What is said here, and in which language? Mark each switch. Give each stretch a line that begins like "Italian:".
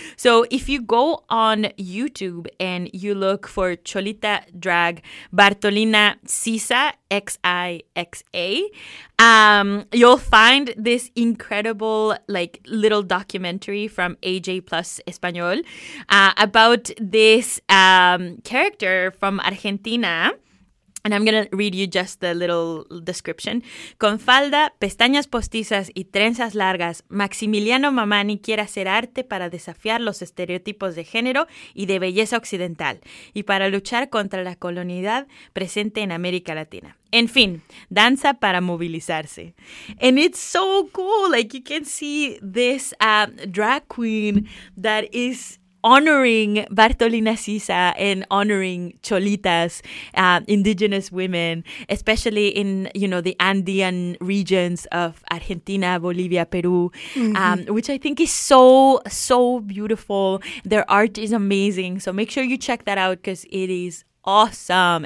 English: So if you go on YouTube and you look for Cholita drag Bartolina Sisa XIXA, you'll find this incredible little documentary from AJ Plus Español about this character from Argentina. And I'm going to read you just the little description.
Spanish: Con falda, pestañas postizas y trenzas largas, Maximiliano Mamani quiere hacer arte para desafiar los estereotipos de género y de belleza occidental y para luchar contra la colonialidad presente en América Latina. En fin, danza para movilizarse.
English: And it's so cool. You can see this drag queen that is honoring Bartolina Sisa and honoring Cholitas, indigenous women, especially in, the Andean regions of Argentina, Bolivia, Peru, which I think is so, so beautiful. Their art is amazing. So make sure you check that out because it is awesome.